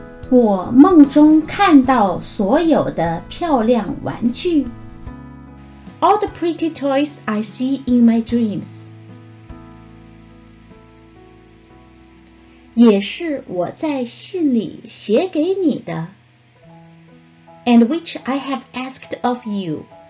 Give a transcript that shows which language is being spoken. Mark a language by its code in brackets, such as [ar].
[zh] 我梦中看到所有的漂亮玩具。 [en] All the pretty toys I see in my dreams. [zh] 也是我在信里写给你的。 [en] And which I have asked of you.